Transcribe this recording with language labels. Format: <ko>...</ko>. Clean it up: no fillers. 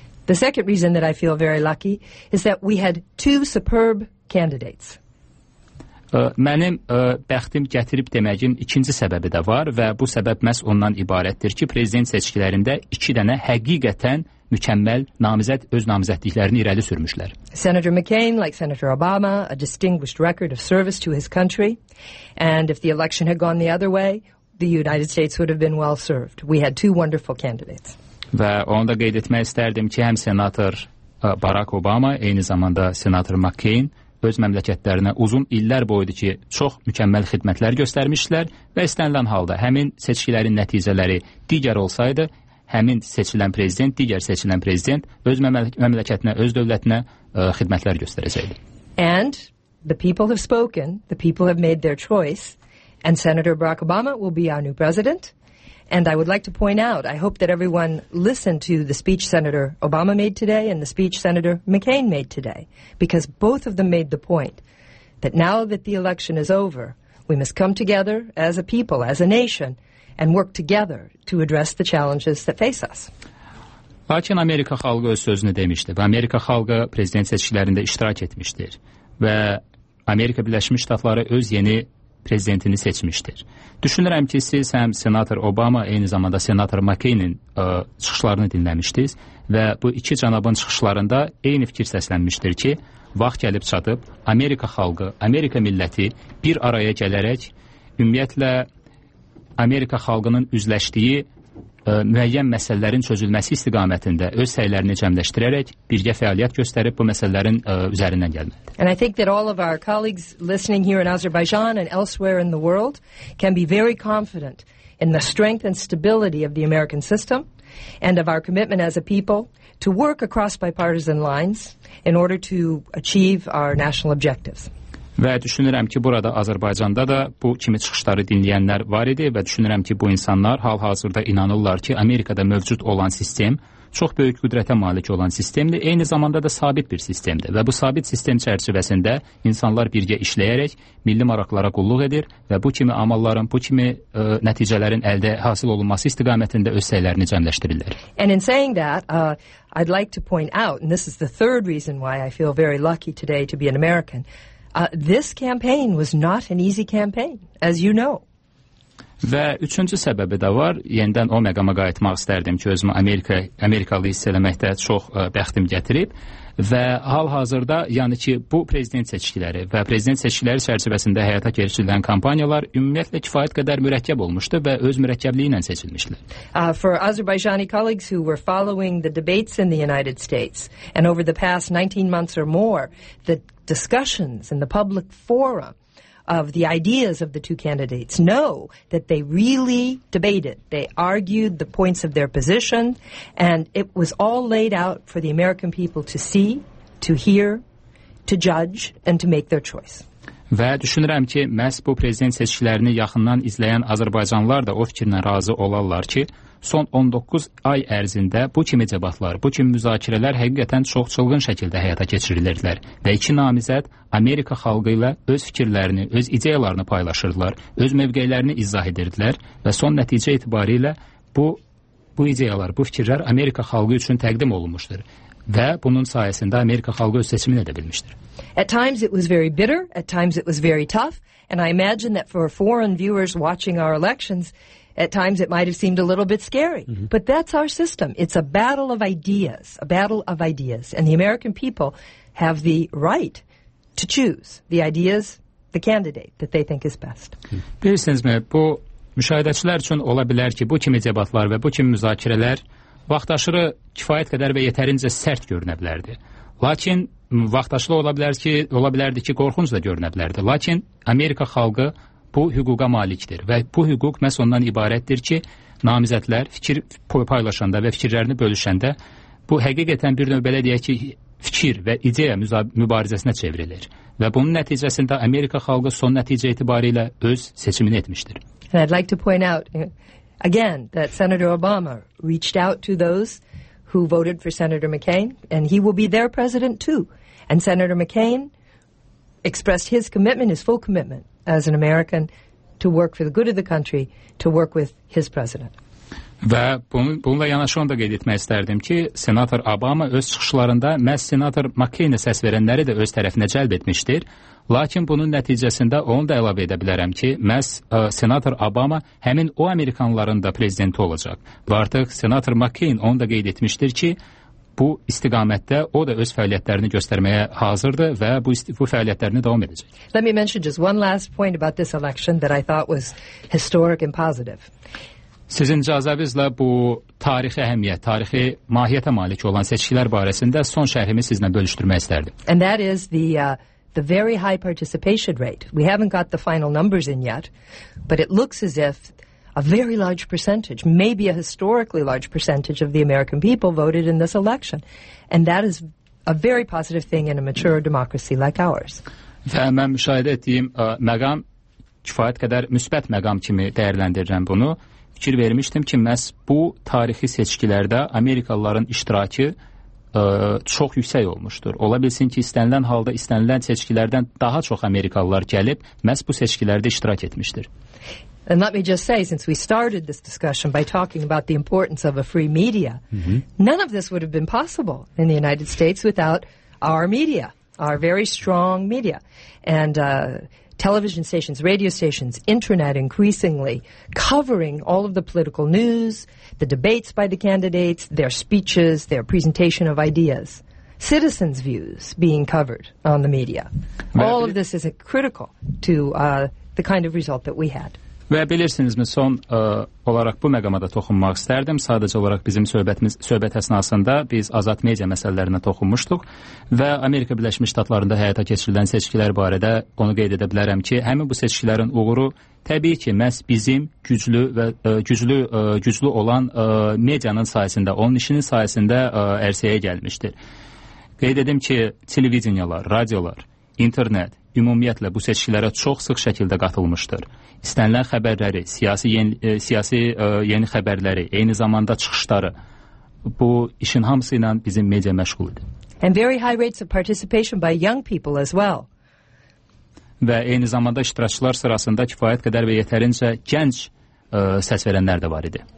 <en>The second reason that I feel very lucky is that we had two superb candidates.</en> <az>Mənim bəxtim gətirib deməyim ikinci səbəbi də var və bu səbəb məhz ondan ibarətdir ki, prezident seçkilərində iki dənə həqiqətən mükəmməl namizəd öz namizədliklərini irəli sürmüşlər.</az> <en>Senator McCain, like Senator Obama, a distinguished record of service to his country, and if the election had gone the other way, the United States would have been well served. We had two wonderful candidates.</en> <az>Və onu da qeyd etmək istərdim ki, həm senator Barack Obama, eyni zamanda senator McCain öz məmləkətlərinə uzun illər boyudur ki, çox mükəmməl xidmətlər göstərmişdilər və istənilən halda həmin seçkilərin nəticələri digər olsaydı, həmin seçilən prezident, digər seçilən prezident öz məmləkətinə, öz dövlətinə xidmətlər göstərəcəkdi.</az> <en>And the people have spoken, the people have made their choice. And Senator Barack Obama will be our new president. And I would like to point out, I hope that everyone listened to the speech Senator Obama made today and the speech Senator McCain made today, because both of them made the point that now that the election is over, we must come together as a people, as a nation, and work together to address the challenges that face us.</en> <az>Lakin Amerika xalqı öz sözünü demişdi və Amerika xalqı prezident seçkilərində iştirak etmişdir və Amerika Birləşmiş Ştatları öz yeni prezidentini seçmişdir. Düşünürəm ki, siz həm senator Obama, eyni zamanda senator McCain-in çıxışlarını dinləmişdiniz və bu iki cənabın çıxışlarında eyni fikir səslənmişdir ki, vaxt gəlib çatıb Amerika xalqı, Amerika milləti bir araya gələrək ümumiyyətlə Amerika xalqının üzləşdiyi müəyyən məsələlərin çözülməsi istiqamətində öz səylərini cəmləşdirərək birgə fəaliyyət göstərib bu məsələlərin üzərindən gəlməlidir.</az> <en>And I think that all of our colleagues listening here in Azerbaijan and elsewhere in the world can be very confident in the strength and stability of the American system and of our commitment as a people to work across bipartisan lines in order to achieve our national objectives.</en> <az>Və düşünürəm ki, burada Azərbaycanda da bu kimi çıxışları dinləyənlər var idi və düşünürəm ki, bu insanlar hal-hazırda inanırlar ki, Amerikada mövcud olan sistem çox böyük qüdrətə malik olan sistemdir, eyni zamanda da sabit bir sistemdir və bu sabit sistem çərçivəsində insanlar birgə işləyərək milli maraqlara qulluq edir və bu kimi amalların, bu kimi nəticələrin əldə hasil olunması istiqamətində öz səylərini cəmləşdirirlər.</az> <en>And in saying that, I'd like to point out, and this is the third reason why I feel very lucky today to be an American, this campaign was not an easy campaign, as you know.</en> <az>Və üçüncü səbəbi də var. Yenidən o məqama qayıtmaq istərdim ki, özümü Amerikalı hiss eləməkdə çox bəxtim gətirib. Və hal-hazırda, yəni ki, bu prezident seçkiləri və prezident seçkiləri çərçivəsində həyata keçirilən kampaniyalar ümumiyyətlə kifayət qədər mürəkkəb olmuşdu və öz mürəkkəbliyi ilə seçilmişdilər.</az> <en>For Azerbaijani colleagues who were following the debates in the United States and over the past 19 months or more, the discussions in the public forum of the ideas of the two candidates know that they really debated. They argued the points of their position, and it was all laid out for the American people to see, to hear, to judge, and to make their choice.</en> <az>Və düşünürəm ki, məhz bu prezident seçkilərini yaxından izləyən Azərbaycanlılar da o fikrinə razı olarlar ki, son 19 ay ərzində bu kimi debatlar, bu kimi müzakirələr həqiqətən çox çılğın şəkildə həyata keçirilirdilər və iki namizəd Amerika xalqı ilə öz fikirlərini, öz ideyalarını paylaşırdılar, öz mövqeylərini izah edirdilər və son nəticə itibarilə bu ideyalar, bu fikirlər Amerika xalqı üçün təqdim olunmuşdur və bunun sayəsində Amerika xalqı öz seçimini edə bilmişdir.</az> <en>At times it was very bitter, at times it was very tough, and I imagine that for foreign viewers watching our elections, At times it might have seemed a little bit scary. Mm-hmm. But that's our system. It's a battle of ideas, a battle of ideas. And the American people have the right to choose the ideas, the candidate that they think is best.</en> <az>Bilirsiniz mi, bu müşahidəçilər üçün ola bilər ki, bu kimi debatlar və bu kimi müzakirələr vaxtaşırı kifayət qədər və yetərincə sərt görünə bilərdi. Lakin vaxtaşılı ola bilərdi ki, qorxunc da görünə bilərdi. Lakin Amerika xalqı bu hüquqa malikdir və bu hüquq məhz ondan ibarətdir ki, namizədlər fikir paylaşanda və fikirlərini bölüşəndə bu həqiqətən bir növ belə deyək ki, fikir və ideya mübarizəsinə çevrilir. Və bunun nəticəsində Amerika xalqı son nəticə itibarilə öz seçimini etmişdir.</az> <en>And I'd like to point out again that Senator Obama reached out to those who voted for Senator McCain, and he will be their president too. And Senator McCain expressed his commitment, his full commitment as an American, to work for the good of the country, to work with his president.</en> <az>Və bununla yanaşı onu da qeyd etmək istərdim ki, Senator Obama öz çıxışlarında məhz Senator McCain-ə səs verənləri də öz tərəfinə cəlb etmişdir. Lakin bunun nəticəsində onu da əlavə edə bilərəm ki, məhz Senator Obama həmin o Amerikanların da prezidenti olacaq. Və artıq Senator McCain onu da qeyd etmişdir ki, bu istiqamətdə o da öz fəaliyyətlərini göstərməyə hazırdır və bu fəaliyyətlərini davam edəcək.</az> <en>Let me mention just one last point about this election that I thought was historic and positive.</en> <az>Sizin icazənizlə bu tarixi əhəmiyyət, tarixi mahiyyətə malik olan seçkilər barəsində son şərhimi sizinlə bölüşdürmək istərdim.</az> <en>And that is the very high participation rate. We haven't got the final numbers in yet, but it looks as if a very large percentage, maybe a historically large percentage of the American people voted in this election. And that is a very positive thing in a mature democracy like ours.</en> <az>Və mən müşahidə etdiyim məqam kifayət qədər müsbət məqam kimi dəyərləndirirəm bunu. Fikir vermişdim ki, məhz bu tarixi seçkilərdə Amerikalıların iştirakı çox yüksək olmuşdur. Ola bilsin ki, istənilən halda istənilən seçkilərdən daha çox Amerikalılar gəlib, məhz bu seçkilərdə iştirak etmişdir.</az> <en>And let me just say, since we started this discussion by talking about the importance of a free media, none of this would have been possible in the United States without our media, our very strong media. And television stations, radio stations, internet increasingly covering all of the political news, the debates by the candidates, their speeches, their presentation of ideas, citizens' views being covered on the media. All of this is critical to the kind of result that we had.</en> <az>Və bilirsiniz mi, son olaraq bu məqama da toxunmaq istərdim. Sadəcə olaraq bizim söhbət əsnasında biz azad media məsələlərinə toxunmuşduq və Amerika Birləşmiş Ştatlarında həyata keçirilən seçkilər barədə onu qeyd edə bilərəm ki, həmin bu seçkilərin uğuru təbii ki, məhz bizim güclü olan medianın sayəsində, onun işinin sayəsində ərsəyə gəlmişdir. Qeyd edim ki, televiziyalar, radiolar, internet ümumiyyətlə bu seçkilərə çox sıx şəkildə qatılmışdır. İstənilən xəbərləri, siyasi yeni xəbərləri, eyni zamanda çıxışları bu işin hamısı ilə bizim media məşğul idi.</az> <en>And very high rates of participation by young people as well.</en> <az>Və eyni zamanda iştirakçılar sırasında kifayət qədər və yetərincə gənc səs verənlər də var idi.</az>